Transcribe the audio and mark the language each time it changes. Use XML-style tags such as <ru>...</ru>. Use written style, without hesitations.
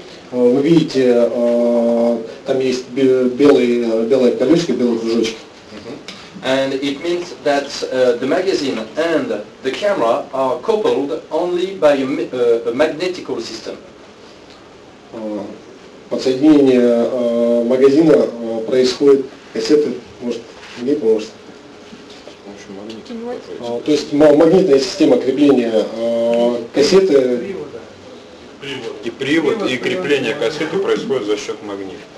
<ru>Вы видите, там есть белые колёсики, белые кружочки.</ru> <en>And it means that the magazine and the camera are coupled only by a magnetical system.</en> <ru>Подсоединение магазина происходит, кассеты, может, не поможет. То есть магнитная система крепления кассеты. Привод и крепление кассеты происходит за счет магнита.</ru>